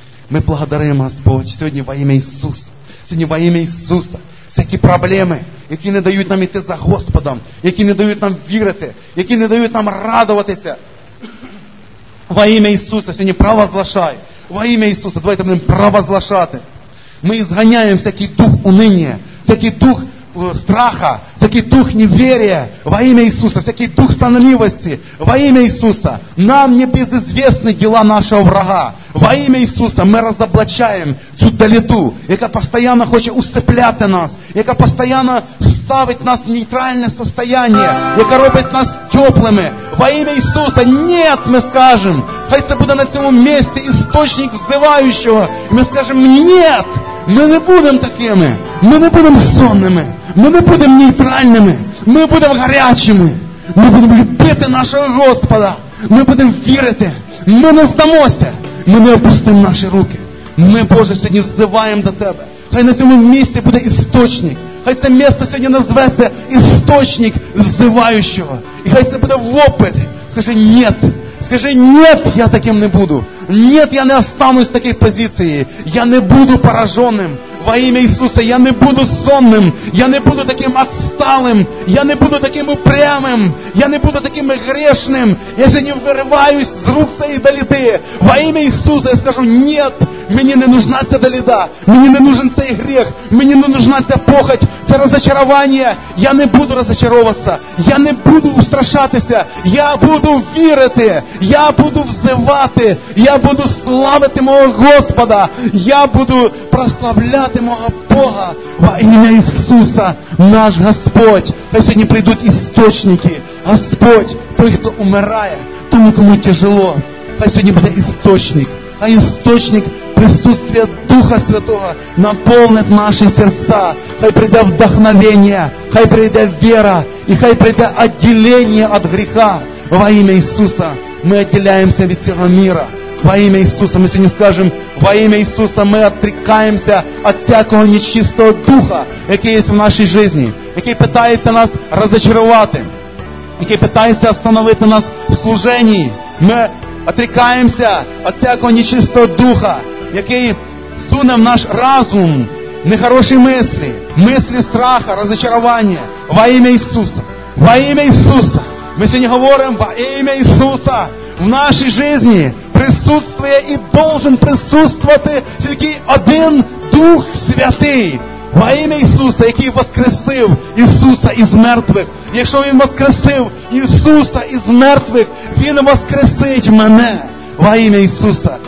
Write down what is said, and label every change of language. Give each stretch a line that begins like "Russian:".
Ukrainian: Ми благодаримо, Господь, сьогодні во ім'я Ісуса. Сьогодні во ім'я Ісуса. Всякі проблеми, які не дають нам йти за Господом, які не дають нам вірити, які не дають нам радуватися. Во ім'я Ісуса, сьогодні провозглашай. Во ім'я Ісуса, давайте будемо провозглашати. Ми зганяємо
Russian: всякий дух уныния, всякий дух страха, всякий дух неверия во имя Иисуса, всякий дух сонливости во имя Иисуса. Нам не безызвестны дела нашего врага. Во имя Иисуса мы разоблачаем всю долету, яка постоянно хочет усыплять нас, яка постоянно ставит нас в нейтральное состояние, яка робит нас теплыми. Во имя Иисуса нет, мы скажем.
Ukrainian: Хай це буде на цьому місці істочник взивающего. І ми скажемо, нет, ми не будемо такими. Ми не будемо сонними. Ми не будемо нейтральними. Ми будемо гарячими. Ми будемо любити нашого Господа. Ми будемо вірити. Ми не здамося. Ми не опустимо наші руки. Ми, Боже, сьогодні взиваємо до Тебе. Хай на цьому місці буде істочник. Хай це місце сьогодні назветься істочник взивающего. І хай це буде вопль. Скажи, нет. Скажи, нет, я таким не буду. Нет, я не останусь в такій позиції. Я не буду пораженим.
Russian: Во имя Иисуса, я не буду сонним. Я не буду таким отсталым. Я не буду таким упрямым. Я не буду таким грешным. Я же не вырываюсь с рук своей долиты. Во имя Иисуса я скажу, нет, мне не нужна эта долида. Мне не нужен цей грех. Мне не нужна эта похоть, это разочарование. Я не буду разочаровываться. Я не буду устрашаться. Я буду верить. Я буду взывать. Я буду славить моего Господа. Я буду прославлять мого Бога во имя Ісуса, наш Господь.
Ukrainian: Хай сьогодні прийдуть істочники. Господь, той, хто умирає, тому, кому тяжело. Хай сьогодні буде істочник. А істочник присутствия Духа Святого наповнить наші серця. Хай прийде вдохновення, хай прийде віра, і хай прийде відділення від гріха. Во имя Ісуса ми відділяємося від цього міра.
Russian: Во имя Иисуса мы сегодня скажем, во имя Иисуса мы отрекаемся от всякого нечистого духа, який есть в нашей жизни, який пытается нас разочаровать, який пытается остановить нас в служении. Мы отрекаемся от всякого нечистого духа,
Ukrainian: який суне
Russian: в наш разум нехорошие мысли, мысли страха, разочарования. Во имя Иисуса. Во имя Иисуса. Мы сегодня говорим во имя Иисуса в нашей жизни.
Ukrainian: Присутствує і должен присутствувати тільки один Дух Святий во ім'я Ісуса, який воскресив Ісуса із мертвих. Якщо Він воскресив Ісуса із мертвих, Він воскресить мене во ім'я Ісуса.